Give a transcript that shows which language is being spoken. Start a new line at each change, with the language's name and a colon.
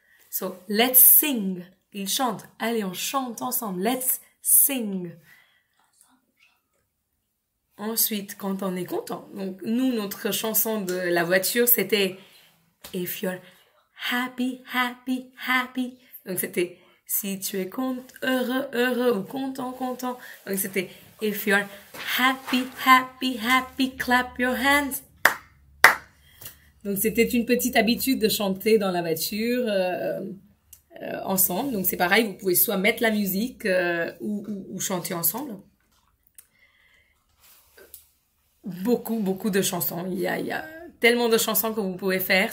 English: So, let's sing.
French: Il chante. Allez, on chante ensemble.
English: Let's sing.
French: Ensuite, quand on est content. Donc, nous, notre chanson de la voiture, c'était «
English: If you're happy, happy, happy
French: ». Donc, c'était Si tu es heureux, heureux ou content, content. Donc c'était
English: If you're happy, happy, happy, clap your hands.
French: Donc c'était une petite habitude de chanter dans la voiture ensemble. Donc c'est pareil, vous pouvez soit mettre la musique ou chanter ensemble. Beaucoup, beaucoup de chansons. Il y a tellement de chansons que vous pouvez faire.